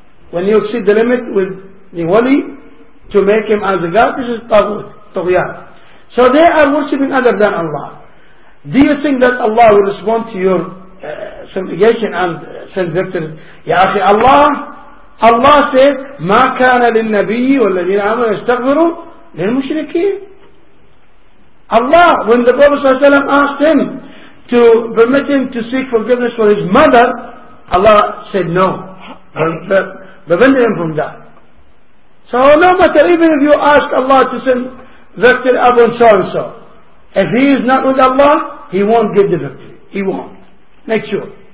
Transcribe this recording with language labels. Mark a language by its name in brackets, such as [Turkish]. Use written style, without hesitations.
[English] When you exceed the limit with the wali, to make him as a god, this is taghut, taghiyat. So they are worshipping other than Allah. Do you think that Allah will respond to your subjugation and send victory? [Arabic] Ya akhi, [English] Allah said, [Arabic] مَا كَانَ لِلنَّبِيِّ وَالَّذِينَ آمَنُوا يَسْتَغْفِرُوا لِلْمُشْرِكِينَ. [English] Allah, when the Prophet ﷺ asked him to permit him to seek forgiveness for his mother, Allah said no, prevented him from that. So no matter, even if you ask Allah to send victory upon so and so, if he is not with Allah, he won't get the victory. He won't. Make sure.